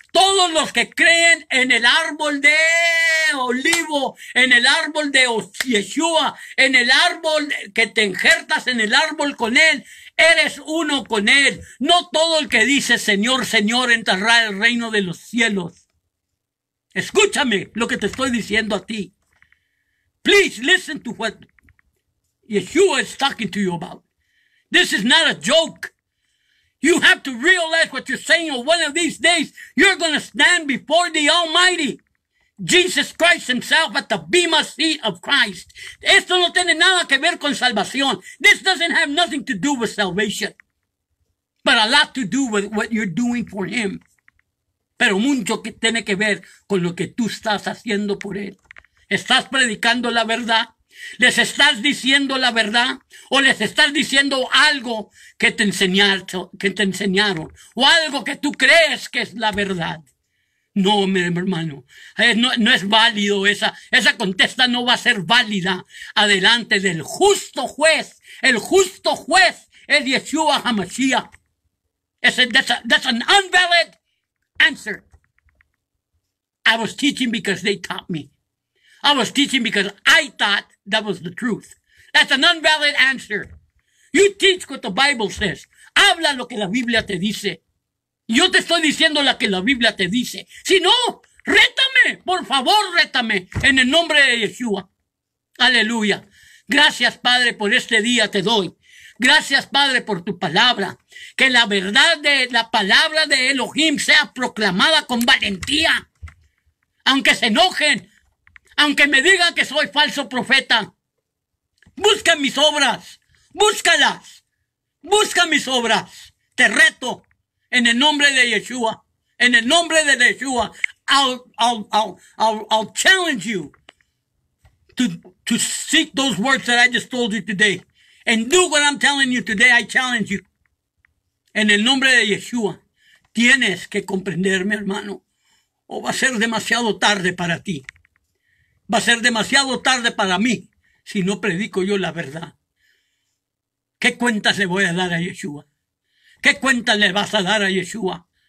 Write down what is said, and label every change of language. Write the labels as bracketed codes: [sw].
[es] Todos los que creen en el árbol de olivo, en el árbol de Yeshua, en el árbol que te injertas en el árbol con él, eres uno con él. No todo el que dice Señor, Señor, entrará al reino de los cielos. Escúchame lo que te estoy diciendo a ti. [en] Please listen to what Yeshua is talking to you about. This is not a joke. You have to realize what you're saying, or one of these days, you're going to stand before the Almighty, Jesus Christ himself, at the Bema Seat of Christ. [es] Esto no tiene nada que ver con salvación. [en] This doesn't have nothing to do with salvation, but a lot to do with what you're doing for him. [es] Pero mucho que tiene que ver con lo que tú estás haciendo por él. ¿Estás predicando la verdad? ¿Les estás diciendo la verdad? ¿O les estás diciendo algo que te enseñaron? ¿O algo que tú crees que es la verdad? No, mi hermano, no es válido. Esa contesta no va a ser válida adelante del justo juez. El justo juez es Yeshua HaMashiach. [en] That's an invalid answer. I was teaching because they taught me. I was teaching because I thought that was the truth. That's an invalid answer. You teach what the Bible says. [es] Habla lo que la Biblia te dice. Yo te estoy diciendo lo que la Biblia te dice. Si no, rétame. Por favor, rétame. En el nombre de Yeshua. Aleluya. Gracias, Padre, por este día te doy. Gracias, Padre, por tu palabra. Que la verdad de la palabra de Elohim sea proclamada con valentía. Aunque se enojen. Aunque me digan que soy falso profeta, busca mis obras, búscalas, busca mis obras. Te reto en el nombre de Yeshua, en el nombre de Yeshua. [en] I'll challenge you to seek those words that I just told you today. And do what I'm telling you today, I challenge you. [es] En el nombre de Yeshua, tienes que comprenderme, hermano, o va a ser demasiado tarde para ti. Va a ser demasiado tarde para mí si no predico yo la verdad. ¿Qué cuentas le voy a dar a Yeshua? ¿Qué cuentas le vas a dar a Yeshua?